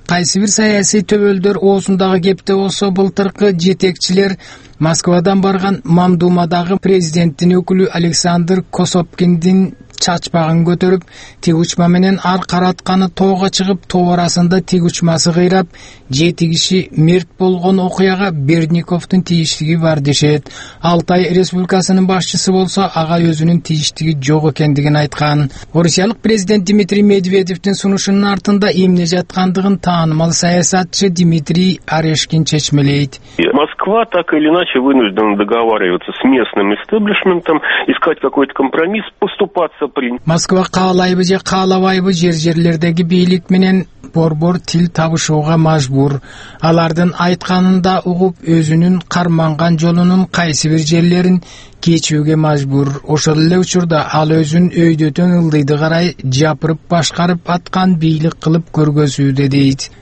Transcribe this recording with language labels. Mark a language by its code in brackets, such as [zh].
[ky] Кайсы бир саясий төбөлдөр оозундагы кепте болсо былтыркы жетекчилер Москвадан барган Мамдумадагы президенттин өкүлү Александр Косопкиндин чачпагын көтөрүп, тиги учма менен ар каратканы тоого чыгып, тоо арасында тиги учмасы кыйрап, 7 киши мерт болгон окуяга Бердниковдун тийиштиги бар дешет. Алтай Республикасынын башчысы болсо, ага өзүнүн тийиштиги жок экендигин айткан. Орусиялык президент Дмитрий Медведевдин сунушунун артында эмне жаткандыгын таанымал саясатчы Дмитрий Орешкин чечмелейт. [ru] Москва так или иначе вынуждена договариваться с местным истеблишментом, искать какой-то компромисс, поступаться при... [ky] Москва каалайбы же каалабайбы жер-жерлердеги бийлик менен борбор тил табышууга мажбур. Алардын айтканын да угуп, өзүнүн карманган жолунун кайсы бир жерлерин кечүүгө мажбур. Ошол эле учурда ал өзүн өйдөтөн ылдыйды карай жапырып башкарып аткан бийлик кылып көргөзүүдө дейт.